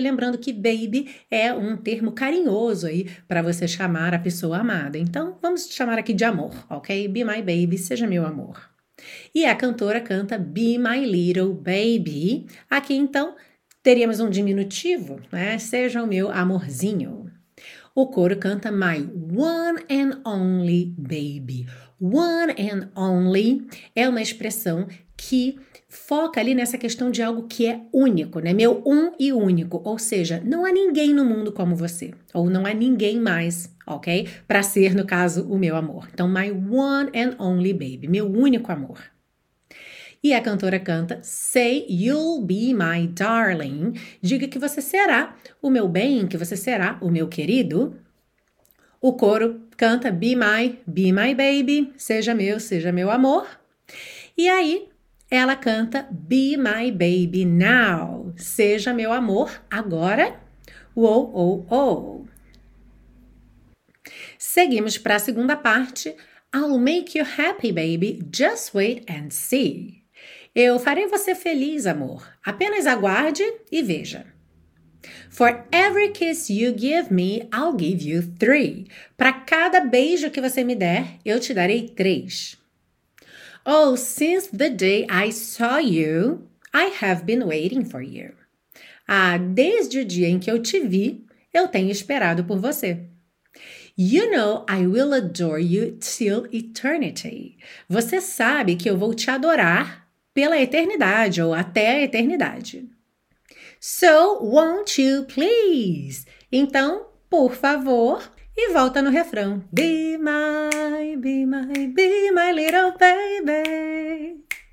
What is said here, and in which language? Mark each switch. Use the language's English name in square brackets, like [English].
[Portuguese] Lembrando que baby é um termo carinhoso aí para você chamar a pessoa amada. Então, vamos te chamar aqui de amor, ok? [English] Be my baby, [Portuguese] seja meu amor. E a cantora canta [English] be my little baby. [Portuguese] Aqui, então, teríamos um diminutivo, né? Seja o meu amorzinho. O coro canta [English] my one and only baby. [Portuguese] One and only é uma expressão que foca ali nessa questão de algo que é único, né? Meu um e único. Ou seja, não há ninguém no mundo como você. Ou não há ninguém mais, ok? Para ser, no caso, o meu amor. Então, [English] my one and only baby. [Portuguese] Meu único amor. E a cantora canta, [English] say you'll be my darling. [Portuguese] Diga que você será o meu bem, que você será o meu querido. O coro canta, [English] be my baby. [Portuguese] Seja meu amor. E aí, ela canta [English] Be My Baby Now. [Portuguese] Seja meu amor agora. Uou, uou, uou. Seguimos para a segunda parte. [English] I'll make you happy, baby. Just wait and see. [Portuguese] Eu farei você feliz, amor. Apenas aguarde e veja. [English] For every kiss you give me, I'll give you three. [Portuguese] Para cada beijo que você me der, eu te darei três. [English] Oh, since the day I saw you, I have been waiting for you. [Portuguese] Ah, desde o dia em que eu te vi, eu tenho esperado por você. [English] You know I will adore you till eternity. [Portuguese] Você sabe que eu vou te adorar pela eternidade ou até a eternidade. [English] So, won't you please? [Portuguese] Então, por favor. E volta no refrão. [English] Be my little baby.